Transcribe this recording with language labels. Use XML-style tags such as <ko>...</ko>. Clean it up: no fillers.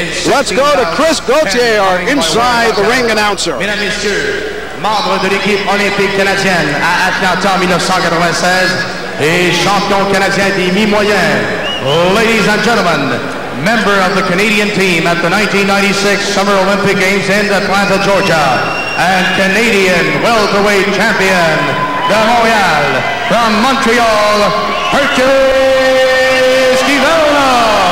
<en>Let's go to Chris Gauthier, our inside the ring announcer.</en> <fr>Membre de l'équipe olympique canadienne à Atlanta 1996 et champion canadien des mi-moyens.</fr> <en>Ladies and gentlemen, member of the Canadian team at the 1996 Summer Olympic Games in Atlanta, Georgia, and Canadian welterweight champion de Montréal, from Montreal, Hercules Kyvelos.</en>